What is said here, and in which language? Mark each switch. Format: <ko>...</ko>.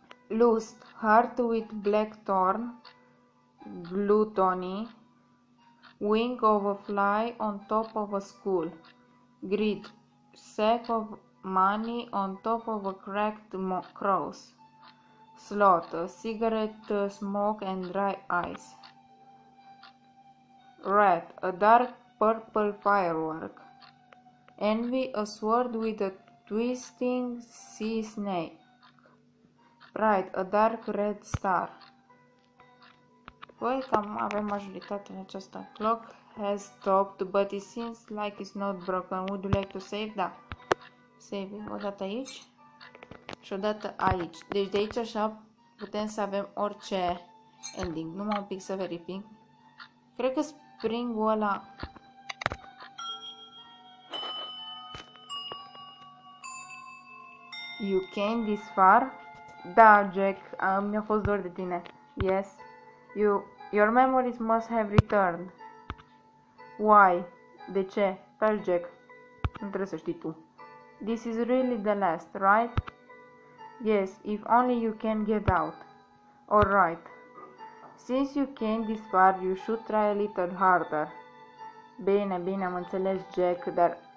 <en>Lust, heart with black thorn, gluttony, wing of a fly on top of a skull, greed, sack of money on top of a cracked cross, sloth, cigarette smoke and dry ice, wrath, a dark purple firework, envy, a sword with a twisting sea snake. Right, a dark red star.</en> <ro>Păi, cam avem majoritate în această.</ro> <en>Clock has stopped, but it seems like it's not broken. Would you like to save?</en> <ro>Da.</ro> <en>Save.</en> <ro>O dată aici. Și o dată aici. Deci de aici așa putem să avem orice ending. Numai un pic să verific. Cred că springul ăla...</ro> <en>You came this far?</en> <ro>Da, Jack, mi-a fost dor de tine.</ro> <en>Yes. Your memories must have returned. Why?</en> <ro>De ce? Păi, Jack, nu trebuie să știi tu.</ro> <en>This is really the last, right? Yes, if only you can get out. All right. Since you came this far, you should try a little harder.</en> <ro>Bine, bine, am înțeles, Jack, dar...</ro>